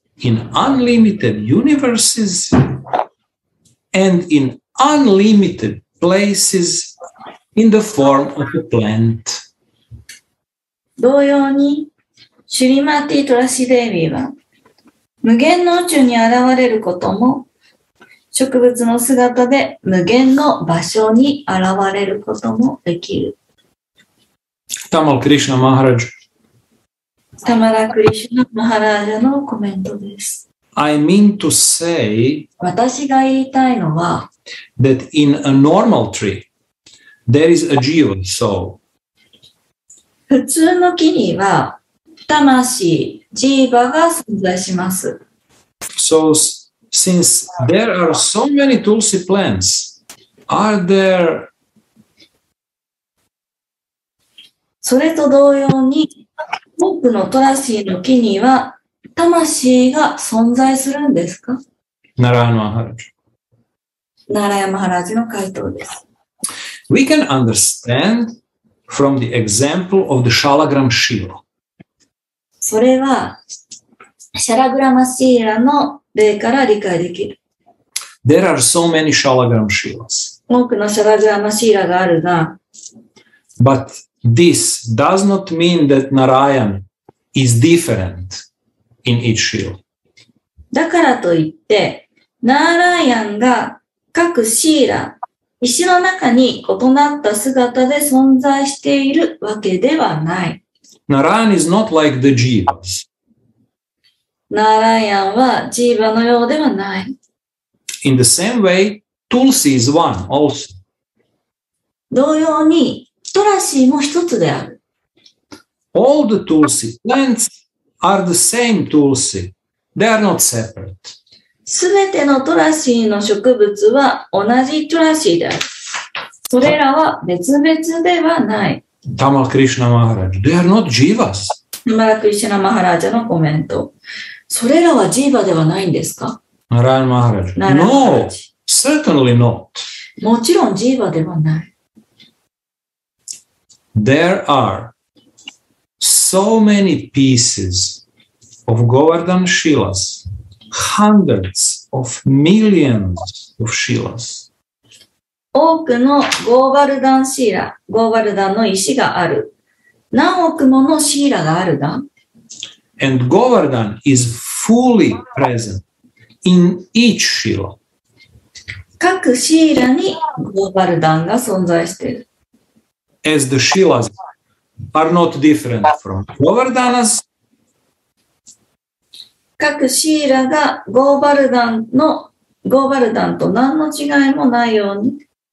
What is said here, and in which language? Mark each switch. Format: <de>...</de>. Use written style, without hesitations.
<en>In unlimited universes and in unlimited places in the form of a plant.</en> <ja>同様に、シュリマティ・トラシデービーは、無限の宇宙に現れることも、植物の姿で無限の場所に現れることもできる。タマラ・クリシュナ・マハラジュ。タマラ・クリシュナ・マハラジュのコメントです。</ja> <en>I mean to say,</en> <ja>私が言いたいのは、</ja> <en>that in a normal tree, there is a jiva soul.</en> <ja>普通の木には、魂、ジーバが存在します。</ja> <en>So, since there are so many tulsi plants, are there...</en> <ja>それと同様に、多くのトラシーの木には、魂が存在するんですか？ナラヤマハラジ。ナラヤマハラジの回答です。</ja> <en>We can understand from the example of the Shalagram Shiva.</en> <ja>それは、シャラグラマシーラの例から理解できる。</ja> <en>There are so many Shalagram Shivas.</en> <ja>多くのシャラグラマシーラがあるが、</ja> <en>But this does not mean that Narayan is different. In each shield.</en> <ja>だからといって、ナーラヤンが各シーラ、石の中に異なった姿で存在しているわけではない。</ja> <en>ナーラヤン is not like the jivas.</en> <ja>ナーラヤンはジーバのようではない。</ja> <en>In the same way, Tulsi is one also.</en> <ja>同様に、トラシーも一つである。</ja> <en>All the Tulsi plants. Are the same tulsi. They are not separate.</en> <ja>全てのトラシーの植物は同じトラシーである。それらは別々ではない。タマラ・クリシュナ・マハラジ。</ja> <en>They are not jivas.</en> <ja>タマラ・クリシュナ・マハラジのコメント。それらはジーバではないんですか？</ja> <en>ナラヤン・マハラジ。No, certainly not.</en> <ja>もちろんジーバではない。</ja> <en>There areSo many pieces of Govardhan Shilas, hundreds of millions of Shilas.</en> <ja>多くのゴーバルダンシーラ、ゴーバルダンの石がある。何億ものシーラがあるだ。</ja> <en>And Govardhan is fully present in each Shila.</en> <ja>各シーラにゴーバルダンが存在している。</ja> <en>As the Shilas. Are not different from Govardhanas.</en> <ja>各シーラがゴーバルダンと何の違いもないように。</ja>